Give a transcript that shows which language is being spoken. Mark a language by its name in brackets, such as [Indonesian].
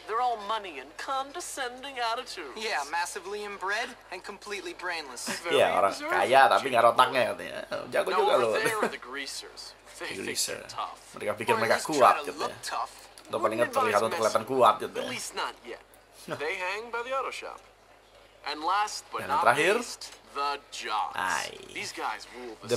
[English] They're all money and condescending attitudes. Yeah, massively inbred and completely brainless. [Indonesian] Yeah, orang kaya tapi nggak otaknya katanya. Jago juga loh. [English] The greasers. Greaser. [Indonesian] Mereka pikir mereka kuat gitu. Untuk palingan terlihat untuk kelihatan kuat gitu. [English] At least not yet. They hang by the auto shop. And last but not least, the jocks. These guys rule the school.